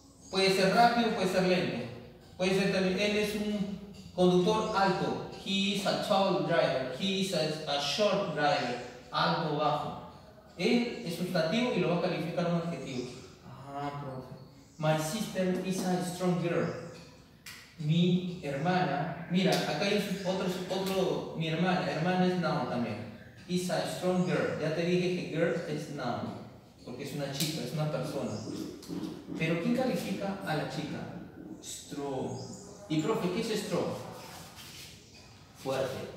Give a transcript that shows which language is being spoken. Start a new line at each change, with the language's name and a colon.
Spanish: Puede ser rápido, puede ser lento. Puede ser también, él es un conductor alto.
English: He is a tall driver. He is a short driver.
Spanish: Alto, bajo. Él es sustantivo y lo va a calificar un adjetivo. Ah, profe.
English: My sister is a strong girl.
Spanish: Mi hermana, mira, acá hay otro, mi hermana, hermana es noun también.
English: Is a strong girl.
Spanish: Ya te dije que girl es noun, porque es una chica, es una persona. Pero ¿quién califica a la chica? Strong. Y profe, ¿qué es strong? Fuerte.